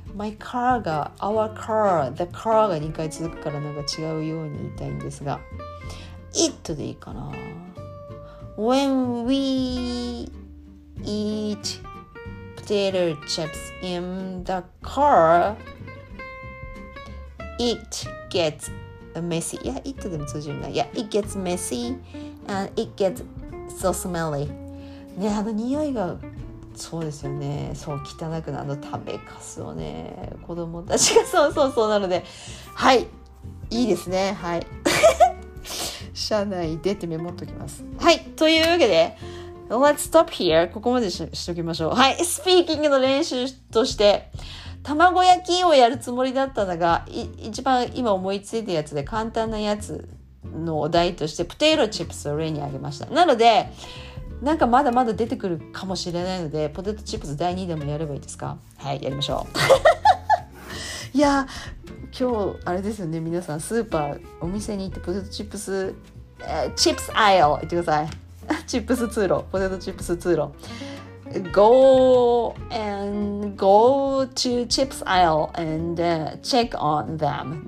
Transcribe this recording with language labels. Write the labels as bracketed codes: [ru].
[ja] My car が、our car、the car が2回続くからなんか違うように言いたいんですが、it でいいかな。 [en] When we eat potato chips in the car, it gets messy. [ja] Yeah, it でも通じるんだ。 [en] Yeah, it gets messy and it gets so smelly. [ja] ね、あの匂いがそうですよね。そう汚くなるの食べかすをね、子供たちがそうそうそうなので、はい、いいですね。はい。社内でってメモっときます。はい、というわけで。 [en] Let's stop here. [ja] ここまで しときましょう。はい。Speaking の練習として、卵焼きをやるつもりだったのが、一番今思いついたやつで簡単なやつのお題として、ポテトチップスを例に挙げました。なので、なんかまだまだ出てくるかもしれないので、ポテトチップス第2でもやればいいですか？はい、やりましょう。いや、今日、あれですよね。皆さん、スーパー、お店に行ってポテトチップス、チップスアイル、行ってください。チップス通路、ポテトチップス通路。 [en] Go and go to chips aisle and check on them.